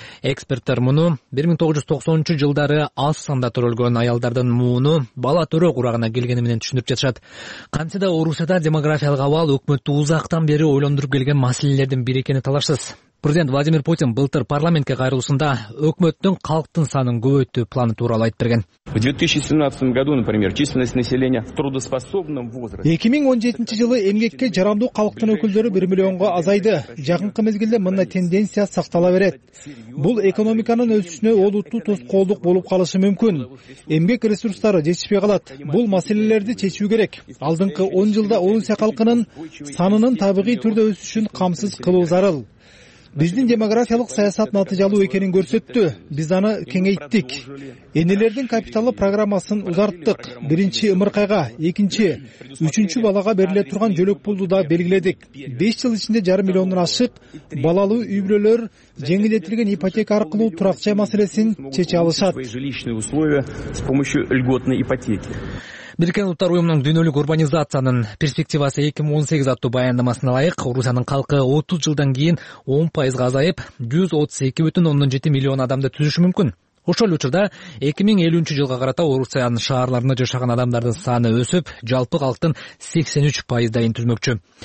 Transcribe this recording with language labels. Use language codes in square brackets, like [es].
[ky] Эксперттер муну 1990 жылдары аз санда төрөлгөн аялдардын мууну бала төрөө курагына келгени менен түшүнүп жатышат. Кантсе да Орусияда демографиялык абал өкмөттү узактан бери ойлондуруп келген маселелердин бири экени талашсыз. Президент Владимир Путин былтыр парламентке кайрылышында өкмөттүн калктын санын көбөйтүү планы тууралуу айтып берген. [ru] В 2017 году, например, численность населения в трудоспособном возрасте. [ky] 2017 жылы эмгекке жарамдуу калктын өкүлдөрү 1 миллионго азайды. Жакынкы мезгилде мындай тенденция сактала берет. Бул экономиканын өсүшүнө олуттуу тоскоолдук болуп калышы мүмкүн. Эмгек ресурстары жетишпей калат. Бул маселелерди чечүү керек. Алдыңкы 10 жылда Орусия калкынын санынын табигый түрдө өсүшүн камсыз кылуу зарыл. Биздин демографиялык саясат натыйжалуу экенин көрсөттү. Биз аны кеңейттик. Энелердин капиталы программасын узарттык. Биринчи ымыркайга, экинчи, үчүнчү балага бериле турган жөлөк пулду да белгиледик. 5 жыл ичинде 500,000 ашык балалуу үй бүлөлөр жеңилдетилген ипотека аркылуу турак жай маселесин чече алышат. [ru] Жилищные условия с помощью льготной ипотеки. [ky] Бириккен Улуттар Уюмунун дүйнөлүк урбанизациянын перспективасы 2018 аттуу баяндамасына ылайык, Орусиянын калкы 30 жылдан кийин 10% азайып, 132,7 миллион адамды түзүшү мүмкүн. Ошол эле учурда 2050 жылга карата Орусиянын шаарларында жашаган адамдардын саны өсүп, жалпы калктын 83% түзмөкчү.